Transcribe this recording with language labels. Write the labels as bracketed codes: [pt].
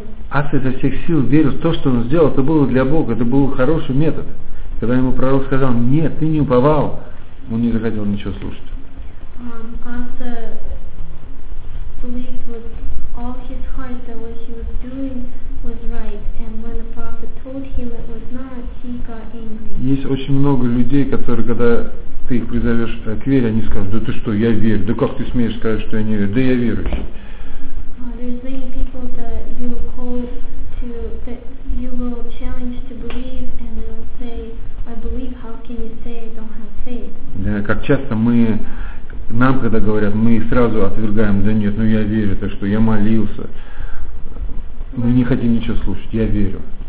[ru] Аса изо всех сил верил в то, что он сделал. Это было для Бога, это был хороший метод. Когда ему пророк сказал, нет, ты не уповал, он не захотел ничего слушать. [en] Аса believed with all his heart that what he was doing was right, and when the prophet told him it was not, he got angry. [ru] Есть очень много людей, которые, когда ты их призовешь к вере, они скажут, да ты что, я верю, да как ты смеешь сказать, что я не верю, да я верующий. [en] There's many people that you call to, that you will challenge to believe, and they will say, I believe, how can you say I don't have faith? [ru] Да, как часто мы, нам когда говорят, мы сразу отвергаем, да нет, ну я верю, это что, я молился. Мы не хотим ничего слушать, я верю.